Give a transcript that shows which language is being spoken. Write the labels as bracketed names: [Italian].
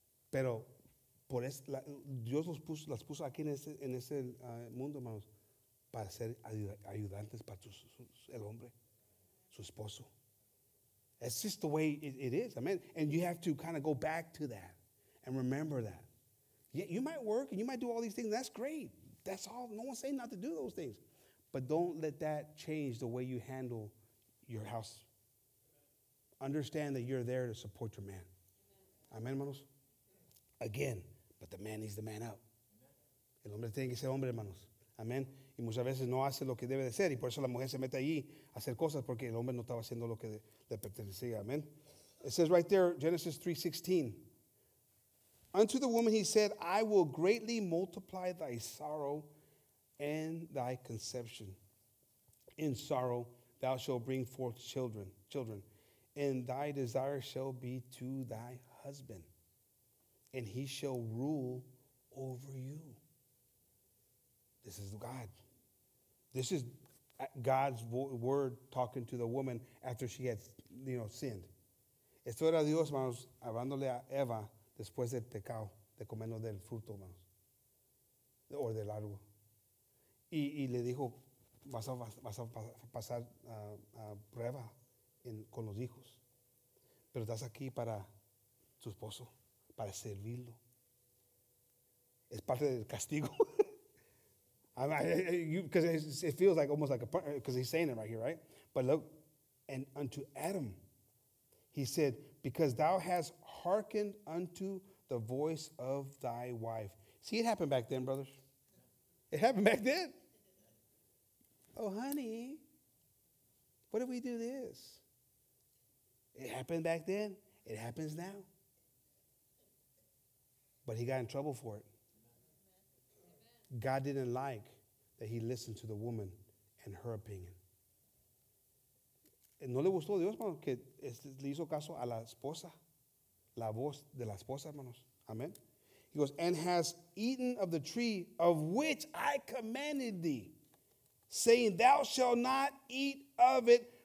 [Spanish] Pero por Dios las puso aquí en ese mundo, hermanos, para ser ayudantes para el hombre, su esposo. [English] It's just the way it is. Amen. And you have to kind of go back to that and remember that. Yeah, you might work and you might do all these things. That's great. That's all. No one's saying not to do those things. But don't let that change the way you handle your house. Understand that you're there to support your man. Amen, hermanos. Again, but the man needs the man up. [Spanish] El hombre tiene que ser hombre, hermanos. Amen. Y muchas veces no hace lo que debe de ser. Y por eso la mujer se mete allí a hacer cosas porque el hombre no estaba haciendo lo que le pertenecía. [English] Amen. It says right there, Genesis 3:16. Unto the woman he said, I will greatly multiply thy sorrow and thy conception. In sorrow thou shalt bring forth children, and thy desire shall be to thy husband, and he shall rule over you. This is God. This is God's word talking to the woman after she had, you know, sinned. [Spanish] Esto era Dios, hermanos, hablándole a Eva después del pecado, de comernos del fruto, hermanos, o del árbol. Y le dijo, vas a pasar prueba con los hijos. Pero estás aquí para tu esposo, para servirlo. Es parte del castigo. [English] Because it feels like almost like a, because he's saying it right here, right? But look, and unto Adam, he said, because thou hast hearkened unto the voice of thy wife. See, it happened back then, brothers. It happened back then. Oh, honey, What if we do this? It happened back then. It happens now. But he got in trouble for it. God didn't like that he listened to the woman and her opinion. [Spanish] No le gustó Dios, hermano, que le hizo caso a la esposa. La voz de la esposa, hermanos. Amen. [English] He goes, and has eaten of the tree of which I commanded thee, saying, thou shalt not eat of it.